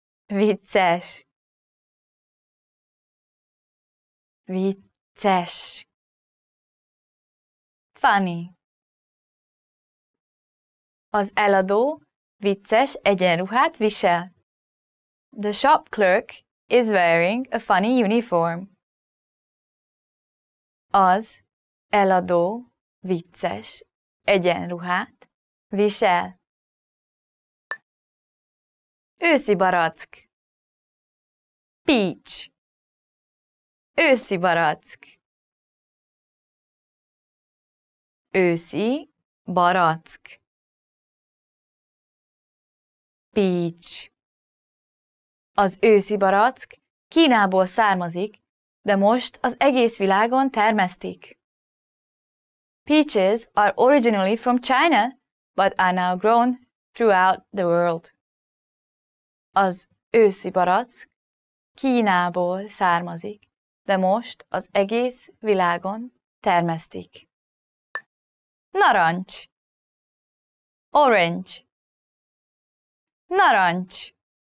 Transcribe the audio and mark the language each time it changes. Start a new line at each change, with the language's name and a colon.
Hungarian: Vicces. Vicces.
English: Funny.
Hungarian: Az eladó vicces egyenruhát visel.
English: The shop clerk is wearing a funny uniform.
Hungarian: Az eladó vicces egyenruhát visel. Őszi barack.
English: Peach.
Hungarian: Őszi barack. Őszi barack.
English: Peach.
Hungarian: Az őszi barack Kínából származik, de most az egész világon termesztik.
English: Peaches are originally from China, but are now grown throughout the world.
Hungarian: Az őszi barack Kínából származik, de most az egész világon termesztik. Narancs.
English: Orange.
Hungarian: Narancs.